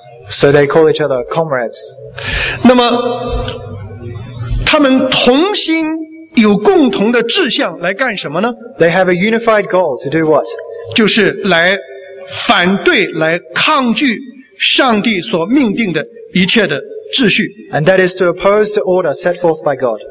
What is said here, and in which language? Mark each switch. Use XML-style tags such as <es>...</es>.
<en>so they call each other comrades</en> <zh>那么他们同心有共同的志向来干什么呢</zh> <en>they have a unified goal to do what</en> <zh>就是来反对来抗拒上帝所命定的一切的秩序</zh> <en>And that is to oppose the order set forth by God</en>